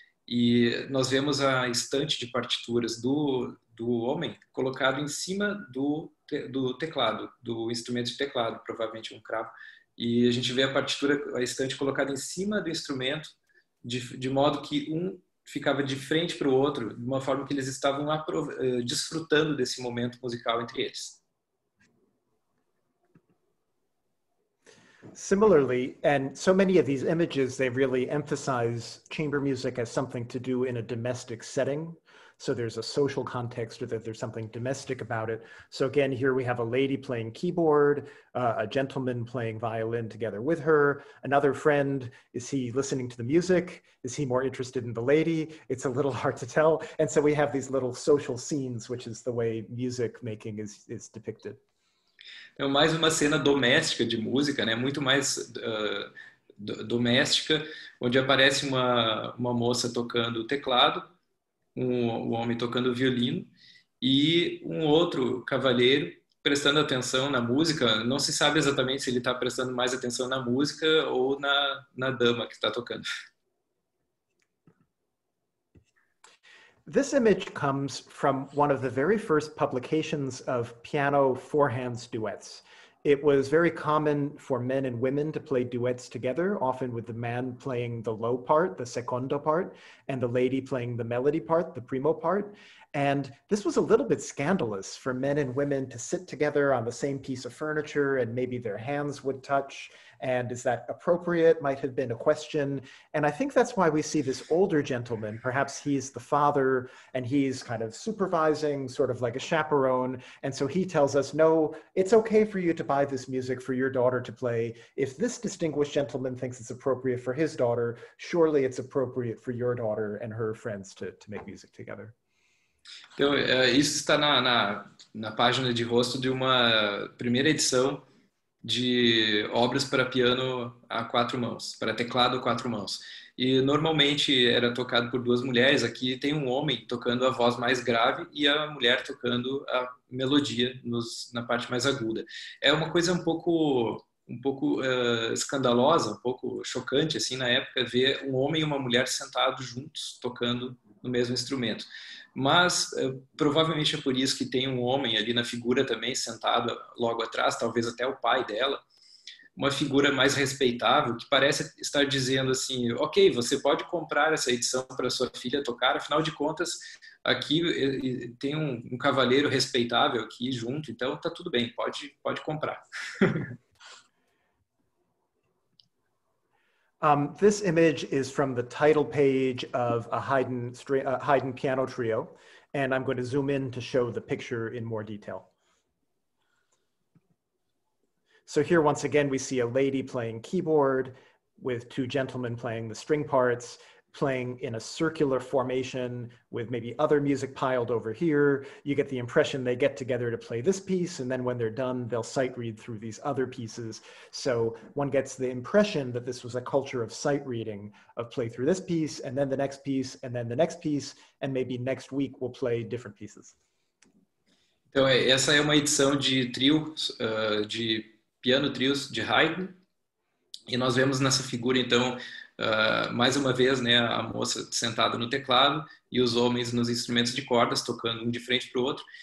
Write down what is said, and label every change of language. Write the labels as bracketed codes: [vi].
[pt] E nós vemos a estante de partituras do homem colocado em cima do teclado, do instrumento de teclado, provavelmente um cravo. E a gente vê a partitura, a estante colocada em cima do instrumento, de modo que um ficava de frente para o outro, de uma forma que eles estavam desfrutando desse momento musical entre eles. [en] Similarly, and so many of these images, they really emphasize chamber music as something to do in a domestic setting. So there's a social context, or that there's something domestic about it. So again, here we have a lady playing keyboard, a gentleman playing violin together with her, another friend. Is he listening to the music? Is he more interested in the lady? It's a little hard to tell. And so we have these little social scenes, which is the way music making is depicted. [pt] É mais uma cena doméstica de música, né? Muito mais doméstica, onde aparece uma moça tocando teclado, um homem tocando violino e um outro cavalheiro prestando atenção na música. Não se sabe exatamente se ele está prestando mais atenção na música ou na dama que está tocando. [en] This image comes from one of the very first publications of piano four hands duets. It was very common for men and women to play duets together, often with the man playing the low part, the secondo part, and the lady playing the melody part, the primo part. And this was a little bit scandalous for men and women to sit together on the same piece of furniture and maybe their hands would touch. And is that appropriate? Might have been a question. And I think that's why we see this older gentleman, perhaps he's the father and he's kind of supervising, sort of like a chaperone. And so he tells us, no, it's okay for you to buy this music for your daughter to play. If this distinguished gentleman thinks it's appropriate for his daughter, surely it's appropriate for your daughter and her friends to make music together. [pt] Então, isso está na página de rosto de uma primeira edição de obras para piano a quatro mãos, para teclado a quatro mãos. E normalmente era tocado por duas mulheres. Aqui tem um homem tocando a voz mais grave e a mulher tocando a melodia na parte mais aguda. É uma coisa um pouco escandalosa, um pouco chocante, assim, na época, ver um homem e uma mulher sentados juntos tocando no mesmo instrumento. Mas provavelmente é por isso que tem um homem ali na figura também, sentado logo atrás, talvez até o pai dela, uma figura mais respeitável, que parece estar dizendo assim, ok, você pode comprar essa edição para sua filha tocar, afinal de contas, aqui tem um cavalheiro respeitável aqui junto, então tá tudo bem, pode comprar. [en] This image is from the title page of a Haydn piano trio, and I'm going to zoom in to show the picture in more detail. So here, once again, we see a lady playing keyboard with two gentlemen playing the string parts, playing in a circular formation with maybe other music piled over here. You get the impression they get together to play this piece, and then when they're done, they'll sight read through these other pieces. So one gets the impression that this was a culture of sight reading, of play through this piece, and then the next piece, and then the next piece, and maybe next week we'll play different pieces. [pt] Então, essa é uma edição de trio, de piano trios de Haydn. E nós vemos nessa figura, então, mais uma vez, né, a moça sentada no teclado e os homens nos instrumentos de cordas, tocando um de frente para o outro.